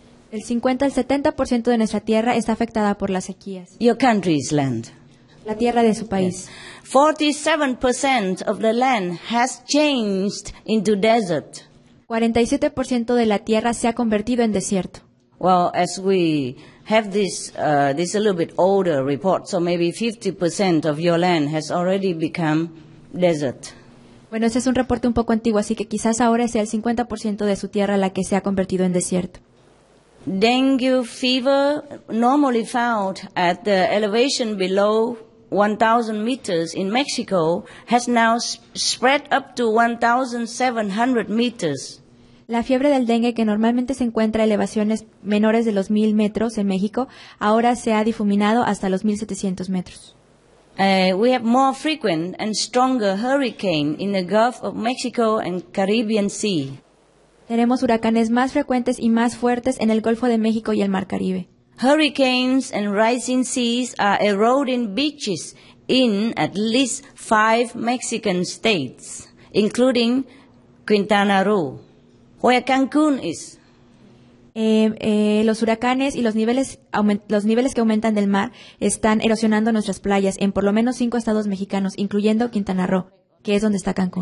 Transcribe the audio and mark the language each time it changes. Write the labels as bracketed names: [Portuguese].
[Spanish] El 50 al 70% de nuestra tierra está afectada por las sequías. [English] Your country's land. [Spanish] La tierra de su país. Yes. [English] 47% of the land has changed into desert. [Spanish] 47% de la tierra se ha convertido en desierto. [English] Well, as we have this, this a little bit older report, so maybe 50% of your land has already become desert. [Spanish] Bueno, ese es un reporte un poco antiguo, así que quizás ahora sea el 50% de su tierra la que se ha convertido en desierto. [English] Dengue fever, normally found at the elevation below 1,000 meters in Mexico, has now spread up to 1,700 meters. [Spanish] La fiebre del dengue, que normalmente se encuentra a elevaciones menores de los 1,000 metros en México, ahora se ha difuminado hasta los 1,700 metros. [English] We have more frequent and stronger hurricanes in the Gulf of Mexico and Caribbean Sea. [Spanish] Tenemos huracanes más frecuentes y más fuertes en el Golfo de México y el Mar Caribe. [English] Hurricanes and rising seas are eroding beaches in at least 5 Mexican states, including Quintana Roo, where Cancun is. [Spanish] Los huracanes y los niveles que aumentan del mar están erosionando nuestras playas en por lo menos 5 estados mexicanos, incluyendo Quintana Roo, que es donde está Cancún.